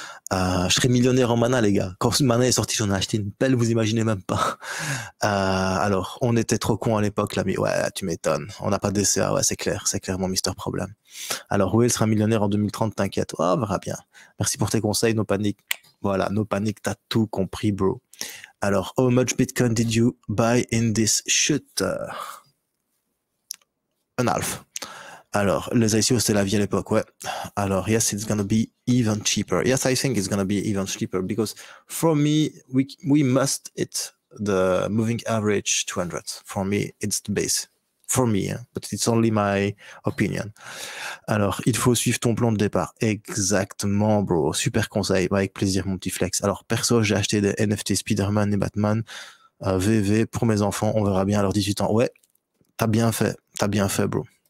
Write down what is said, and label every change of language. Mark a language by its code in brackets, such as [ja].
[fr] Je serais millionnaire en Mana, les gars. Quand Mana est sorti, j'en ai acheté une pelle, vous imaginez même pas. Alors, on était trop cons à l'époque, là, mais ouais, tu m'étonnes. On n'a pas de DCA, ouais, c'est clair. C'est clairement Mister Problème. Alors, Will sera millionnaire en 2030, t'inquiète. Oh, verra bien. Merci pour tes conseils, no panique. Voilà, no panique, t'as tout compris, bro. [en] Alors, how much Bitcoin did you buy in this shit? [fr] Un [en] half. [fr] Alors, les ICO, c'était la vie à l'époque, ouais. [en] Alors, yes, it's gonna be even cheaper. Yes, I think it's gonna be even cheaper because for me, we must hit the moving average 200. For me, it's the base. For me, but it's only my opinion. [fr] Alors, il faut suivre ton plan de départ. Exactement, bro. Super conseil. Avec plaisir, mon petit flex. Alors, perso, j'ai acheté des NFT Spider-Man et Batman VV pour mes enfants. On verra bien à leurs 18 ans. Ouais, t'as bien fait. T'as bien fait, bro.